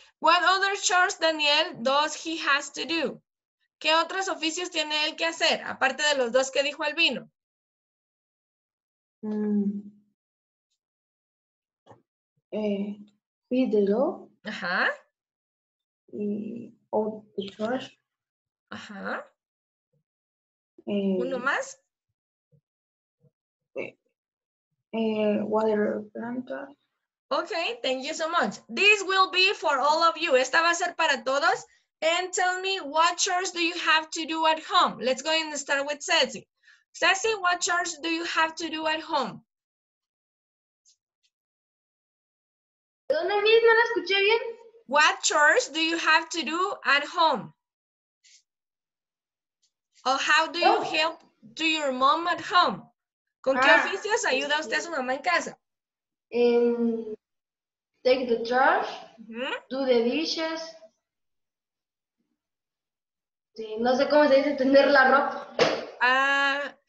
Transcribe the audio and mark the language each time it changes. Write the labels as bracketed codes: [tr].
[en] What other chores, Daniel, does he has to do? [es] ¿Qué otros oficios tiene él que hacer, aparte de los dos que dijo Albino? [en] Feed the dog. Ajá. Y out the trash. [es] Ajá. ¿Uno más? [en] Water planter. Okay, thank you so much. This will be for all of you. [es] Esta va a ser para todos. [en] And tell me, what chores do you have to do at home? Let's go and start with Ceci. Ceci, what chores do you have to do at home? [es] ¿Dónde mismo la escuché bien? [en] What chores do you have to do at home? Or how do you help to your mom at home? [es] ¿Con qué oficios ayuda usted a su mamá en casa? [en] Take the trash, do the dishes. [es] Sí, no sé cómo se dice tender la ropa.